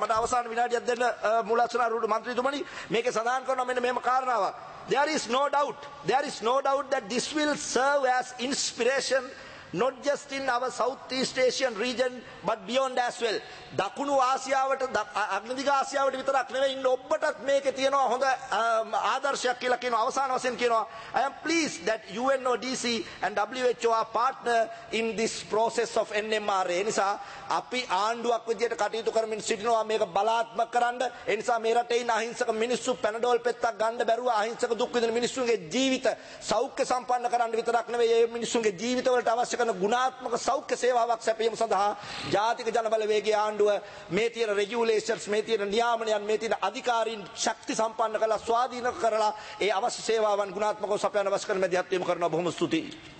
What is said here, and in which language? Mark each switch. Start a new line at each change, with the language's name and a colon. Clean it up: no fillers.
Sinhala: මට අවසාන විනාඩියක් දෙන්න මුල් අසනාරූඪ මන්ත්‍රීතුමනි මේක සඳහන් කරනවා මෙන්න මේම කාරණාව.
English: There is no doubt that this will serve as inspiration not just in our Southeast Asian region but beyond as well.
Sinhala: දකුණු ආසියාවට අග්නිදිග ආසියාවට විතරක් නෙවෙයි ඉන්න ඔබටත් මේකේ තියෙනවා හොඳ ආදර්ශයක් කියලා කියන අවසාන වශයෙන් කියනවා.
English: I am pleased that UNODC and WHO are partner in this process of NMR.
Sinhala: ඒ නිසා අපි ආණ්ඩුවක් විදියට කටයුතු කරමින් සිටිනවා මේක බලාත්මක කරන්න. ඒ නිසා මේ රටේ ඉන්න අහිංසක මිනිස්සු පැනඩෝල් පෙත්තක් ගන්න බැරුව අහිංසක දුක් විඳින මිනිස්සුන්ගේ ජීවිත සෞඛ්‍ය සම්පන්න කරන්න විතරක් නෙවෙයි මේ මිනිස්සුන්ගේ ජීවිතවලට අවශ්‍ය කරන ගුණාත්මක සෞඛ්‍ය සේවාවක් සැපයීම සඳහා ජාතික ජනබල වේගය මේ තියෙන රෙගියුලේෂන්ස් මේ තියෙන නියාමනයන් මේ තියෙන අධිකාරීන් ශක්ති සම්පන්න කරලා ස්වාධීන කරලා ඒ අවශ්‍ය සේවාවන් ගුණාත්මකව සපයන අවශ්‍ය කරන මැදිහත් වීම කරනවා. බොහොම ස්තුතියි.